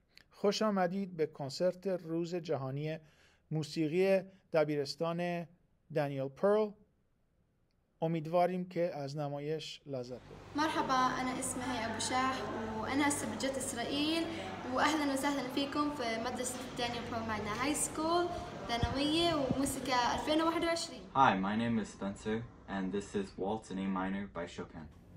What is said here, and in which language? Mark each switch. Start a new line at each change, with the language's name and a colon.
Persian: خوش آمدید به کنسرت روز جهانی موسیقی دبیرستان دانیل پرل. امیدواریم که از نمایش لذت ببرید.
Arabic: مرحبا، انا اسمي ابو شاح وانا هسه بجيت اسرائيل واهلا وسهلا فيكم في مدرسه دانيل پرل ماجنا هاي سكول ثانويه وموسيقى 2021.
English: Hi, my name is Spencer and this is Waltz in A minor by Chopin.